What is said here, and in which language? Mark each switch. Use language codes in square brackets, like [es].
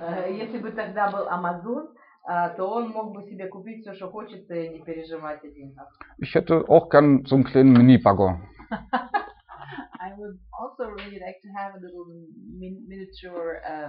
[ru] Если бы тогда был Amazon, то он мог бы себе купить все, что хочет, и не переживать о деньгах. [de] Ich hätte auch gern so einen kleinen Mini-Bagger. [en] I would also really like to have a little miniature